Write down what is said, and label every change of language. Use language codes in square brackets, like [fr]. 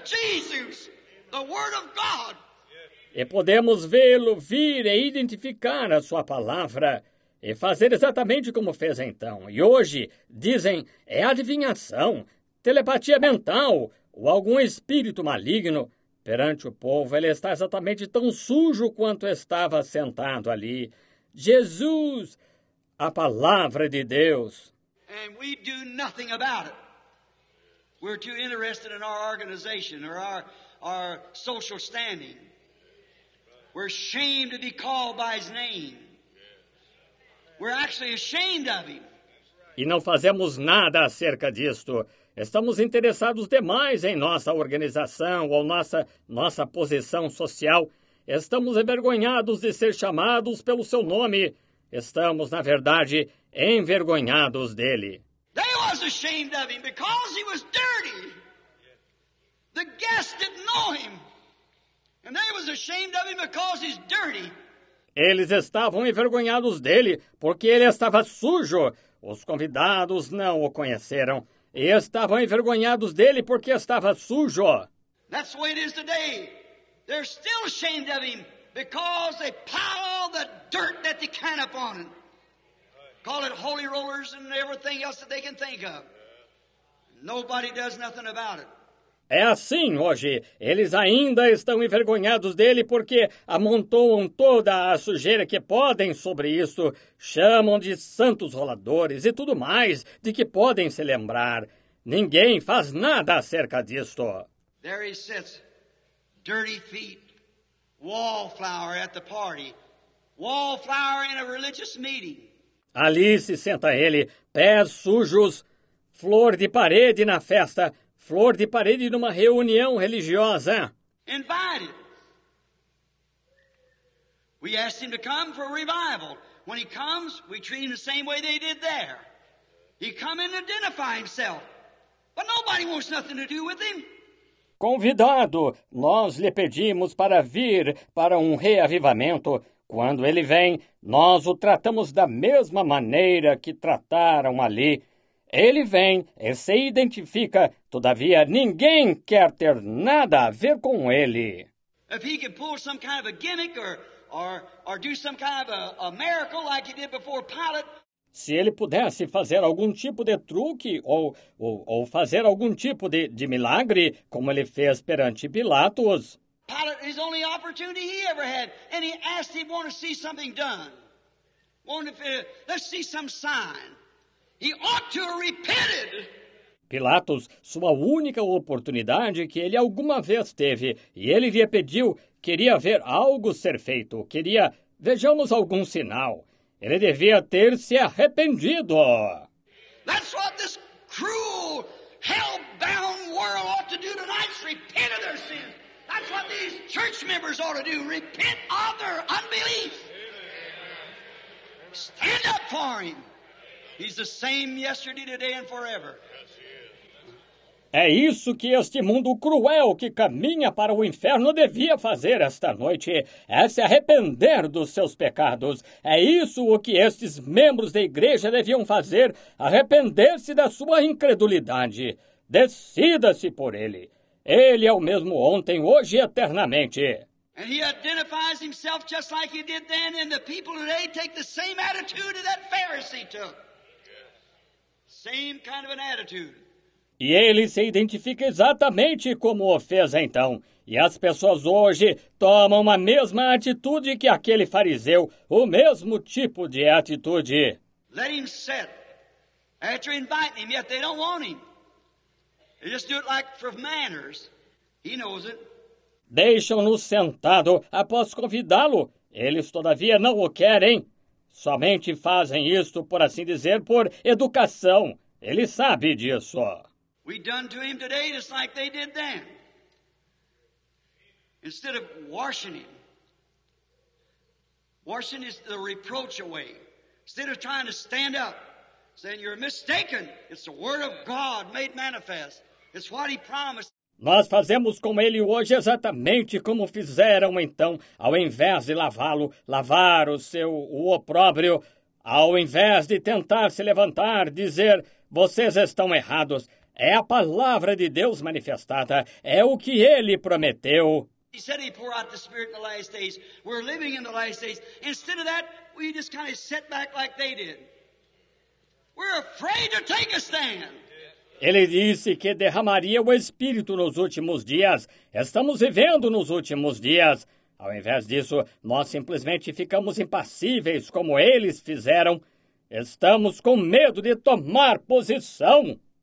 [en] Jesus, the word of God. [pt] E podemos vê-lo vir e identificar a sua palavra e fazer exatamente como fez então. E hoje, dizem, é adivinhação, telepatia mental ou algum espírito maligno. Perante o povo, ele está exatamente tão sujo quanto estava sentado ali. Jesus, a palavra de Deus. E nós não fazemos nada sobre isso. Nós estamos interessados em nossa organização ou nosso [en] social standing. We're ashamed to be called by his name. We're actually ashamed of him. [pt] E não fazemos nada acerca disto. Estamos interessados demais em nossa organização ou nossa posição social. Estamos envergonhados de ser chamados pelo seu nome. Estamos, na verdade, envergonhados dele. [en] They was ashamed of him because he was dirty. The guests didn't know him. And they was ashamed of him because he's dirty. [pt] Eles estavam envergonhados dele porque ele estava sujo. Os convidados não o conheceram. E estavam envergonhados dele porque estava sujo. [en] That's the way it is today. They're still ashamed of him because they pile all the dirt that they can upon him. Call it holy rollers and everything else that they can think of. Nobody does nothing about it. [pt] É assim hoje. Eles ainda estão envergonhados dele porque amontoam toda a sujeira que podem sobre isso. Chamam de santos roladores e tudo mais de que podem se lembrar. Ninguém faz nada acerca disto. [en] There he sits, dirty feet, wallflower at the party, wallflower in a religious meeting. [pt] Ali se senta ele, pés sujos, flor de parede na festa. Flor de parede numa reunião religiosa. [en] Invited. We asked him to come for a revival. When he comes, we treat him the same way they did there. He come and identify himself. But nobody wants nothing to do with him. [pt] Convidado, nós lhe pedimos para vir para um reavivamento. Quando ele vem, nós o tratamos da mesma maneira que trataram ali. Ele vem e se identifica, todavia ninguém quer ter nada a ver com ele. [en] If he can pull some kind of a gimmick or do some kind of a miracle like he did before Pilate. [pt] Se ele pudesse fazer algum tipo de truque ou fazer algum tipo de milagre, como ele fez perante Pilatos. [en] Pilate, his only opportunity he ever had, and he asked him, want to see something done. Want to let's see some sign. He ought to have repented. [pt] Pilatos, sua única oportunidade que ele alguma vez teve, e ele lhe pediu, queria ver algo ser feito, queria, vejamos algum sinal. Ele devia ter se arrependido. [en] That's what this cruel, hell-bound world ought to do tonight, repent of their sins. That's what these church members ought to do, repent of their unbelief. Stand up for him. He's the same yesterday, today, and forever. Yes, he is. [pt] É isso que este mundo cruel que caminha para o inferno devia fazer esta noite. É se arrepender dos seus pecados. É isso o que estes membros da igreja deviam fazer. Arrepender-se da sua incredulidade. Decida-se por ele. Ele é o mesmo ontem, hoje e eternamente. [en] And he identifies himself just like he did then, and the people today take the same attitude that Pharisee took. Same kind of an attitude. [pt] E ele se identifica exatamente como o fez então. E as pessoas hoje tomam a mesma atitude que aquele fariseu, o mesmo tipo de atitude. [en] Let him sit. After inviting him, yet they don't want him. They just do it like for manners. He knows it. [pt] Deixam-no sentado após convidá-lo. Eles todavia não o querem. Somente fazem isto, por assim dizer, por educação. Ele sabe disso. [en] We done to him today just like they did then. Instead of washing him. Washing is the reproach away. Instead of trying to stand up, saying you're mistaken. It's the word of God made manifest. It's what he promised. [pt] Nós fazemos com ele hoje exatamente como fizeram então, ao invés de lavá-lo, lavar o opróbrio, ao invés de tentar se levantar, dizer, vocês estão errados. É a palavra de Deus manifestada, é o que ele prometeu. [en] He said he poured out the Spirit in the last days. We're living in the last days. Instead of that, we just kind of sit back like they did. We're afraid to take a stand. [pt] Ele disse que derramaria o Espírito nos últimos dias. Estamos vivendo nos últimos dias. Ao invés disso, nós simplesmente ficamos impassíveis, como eles fizeram. Estamos com medo de tomar posição.